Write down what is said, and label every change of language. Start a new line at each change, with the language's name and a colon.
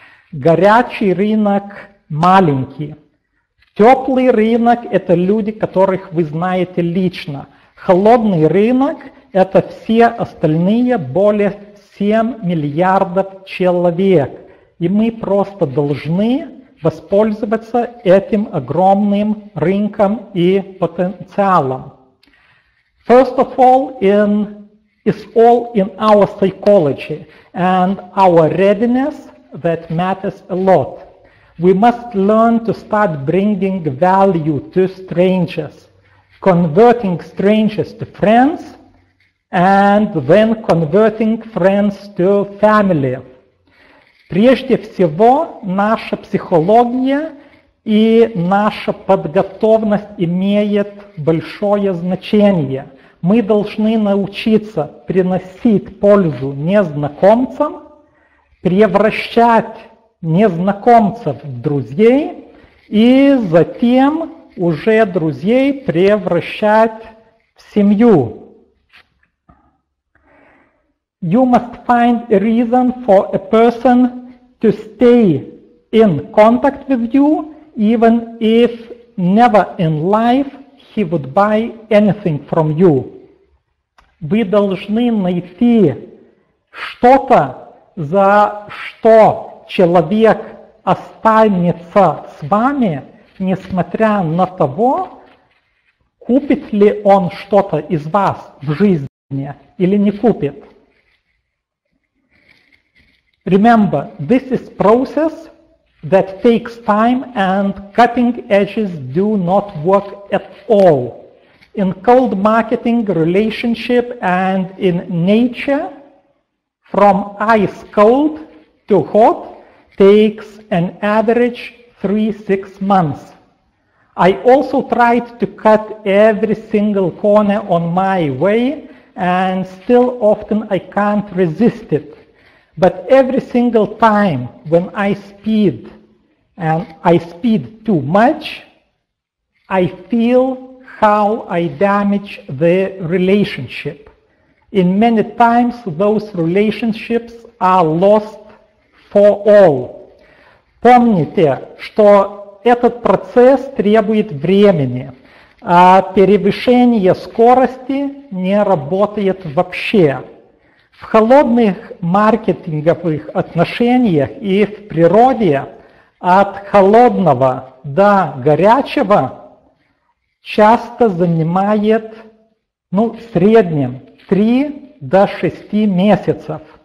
Russian: Горячий рынок маленький. Теплый рынок – это люди, которых вы знаете лично. Холодный рынок – это все остальные более 7 миллиардов человек. И мы просто должны воспользоваться этим огромным рынком и потенциалом.
English: First of all, it's all in our psychology and our readiness that matters a lot. We must learn to start bringing value to strangers, converting strangers to friends, and then converting friends to family.
Russian: Прежде всего, наша психология и наша подготовленность имеет большое значение. Мы должны научиться приносить пользу незнакомцам, превращать незнакомцев в друзей и затем уже друзей превращать в семью.
English: You must find a reason for a person to stay in contact with you, even if never in life he would buy anything from you.
Russian: Вы должны найти что-то, за что человек останется с вами, несмотря на того, купит ли он что-то из вас в жизни или не купит.
English: Remember, this is process that takes time and cutting edges do not work at all. In cold marketing relationship and in nature, from ice cold to hot takes an average 3-6 months. I also tried to cut every single corner on my way and still often I can't resist it. But every single time when I speed and I speed too much, I feel how I damage the relationship. In many times those relationships are lost for all.
Russian: Помните, что этот процесс требует времени, а превышение скорости не работает вообще. В холодных маркетинговых отношениях и в природе от холодного до горячего часто занимает, ну, в среднем 3 до 6 месяцев.